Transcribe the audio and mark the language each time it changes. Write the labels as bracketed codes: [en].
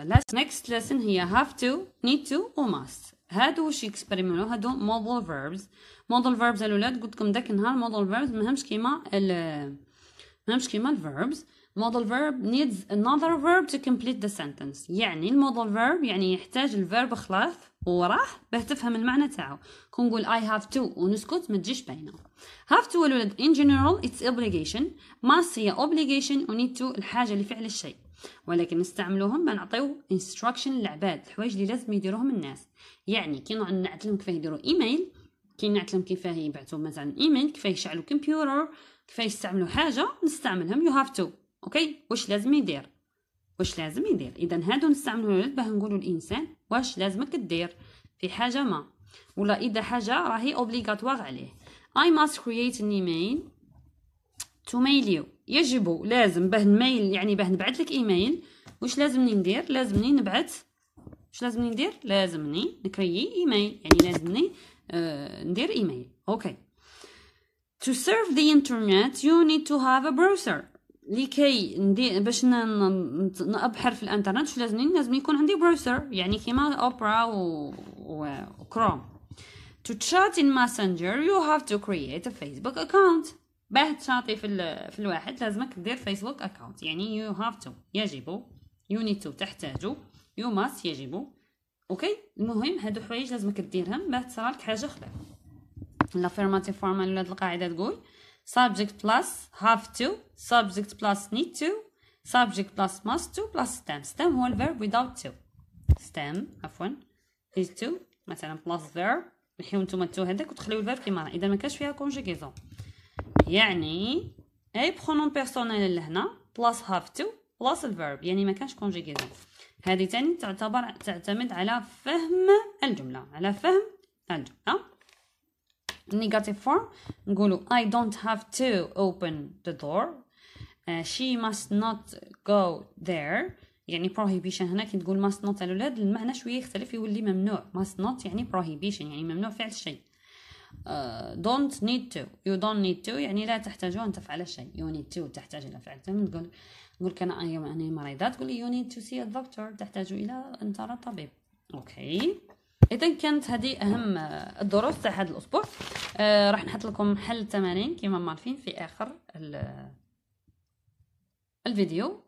[en] Next lesson here have to need to or must [ar] هادو وش يكسبريمنو هادو [en] model verbs [ar] الولاد قلت لكم داك النهار [en] model verbs [ar] مهمش كيما ال مش كيما الفيربز. [en] Modal verb needs another verb to complete the sentence. [ar] يعني المودال فيرب يعني يحتاج الفيرب خلاص وراح باه تفهم المعنى تاعو. كون نقول [en] I have to [ar] ونسكت ما تجيش باينه. [en] Have to الولد in general it's obligation. [ar] Must هي obligation و [en] need to [ar] الحاجة لفعل الشيء. ولكن نستعملوهم باه نعطيو instruction للعباد الحوايج اللي لازم يديروهم الناس. يعني كي نعلم كيفاه يديروا ايميل, كي نعلم كيفاه يبعثوا مثلا ايميل, كيفاه يشعلوا كمبيوتر, كيفاه يستعملوا حاجة نستعملهم [en] you have to. [ar] اوكي واش لازم يدير, واش لازم يدير. اذا هادو نستعملو الولد باه نقولو الانسان واش لازمك دير في حاجه ما, ولا اذا حاجه راهي اوبليغاتوار عليه. [en] I must create an email to mail you. [ar] يجب لازم باه نميل يعني باه نبعث لك ايميل. واش لازمني ندير؟ لازمني نبعث. واش لازمني ندير؟ لازمني نكري ايميل, يعني لازمني ندير ايميل. [en] Okay to surf the internet you need to have a browser. [ar] لكي باش نبحر في الانترنت شو لازم يكون عندي بروسر, يعني كيما اوبرا وكروم. [en] To chat in messenger you have to create a facebook account. [ar] باه تشاطي في الواحد لازمك دير [en] facebook account, [ar] يعني [en] you have to [ar] يجب, [en] you need to [ar] تحتاجو, [en] you must [ar] يجب. اوكي المهم هادو حوايج لازمك ديرهم باه تصرالك حاجة اخرى. الافيرماتيف فورمال ولاد القاعدة تقول [en] subject plus have to, subject plus need to, subject plus must to plus stem. Stem هو الverb without to. Stem عفوا is to مثلا plus verb. [ar] الحين انتم تو هذاك وتخليو الverb كيما اذا ما كانش فيها conjugation. يعني اي pronom personnel لهنا [en] plus have to plus [ar] الverb, يعني ما كانش conjugation. هذه ثاني تعتبر تعتمد على فهم الجمله, على فهم الجمله. [en] Negative form [ar] نقولو [en] I don't have to open the door. She must not go there. [ar] يعني prohibition هنا كي تقول [en] must not [ar] الولاد المعنى شوية يختلف يولي ممنوع. [en] Must not [ar] يعني prohibition, يعني ممنوع فعل شيء. [en] Don't need to, you don't need to [ar] يعني لا تحتاجوا أن تفعل الشيء. [en] You need to [ar] تحتاج إلى فعل. نقول كان أنا مريضة تقولي [en] you need to see a doctor, [ar] تحتاج إلى أن ترى طبيب. أوكي اذا كانت هذه اهم الدروس تاع هذا الاسبوع. راح نحط لكم حل التمارين كيما عارفين في اخر الفيديو.